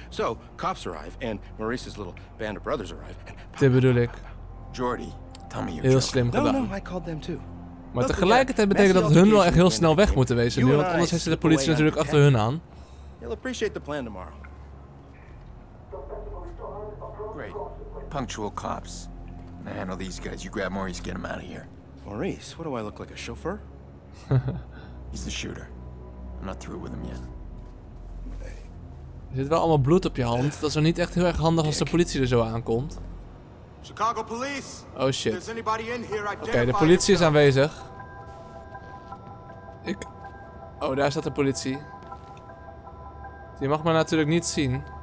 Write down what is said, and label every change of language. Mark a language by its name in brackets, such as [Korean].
[English] So, cops arrive and Maurice's little band of brothers arrive. [Dutch] Dit bedoel ik. [English] Jordy, tell me [Dutch] heel slim gedaan. [English] No, I called them too. [Dutch] Maar tegelijkertijd betekent dat hun wel echt heel snel weg moeten wezen nu, want anders zit de politie natuurlijk achter hun aan. [English] You'll appreciate the plan tomorrow. Great. Punctual cops. I handle these guys. You grab Maurice, get him out of here. Maurice? What do I look like, a chauffeur? He's the shooter. I'm not through with him yet. [Dutch] Er zit wel allemaal bloed op je hand. Dat is nog niet echt heel erg handig als de politie er zo aankomt. [English] Chicago police! Oh shit. [Dutch] Oké, de politie is aanwezig. Oh, daar staat de politie. Die mag me natuurlijk niet zien.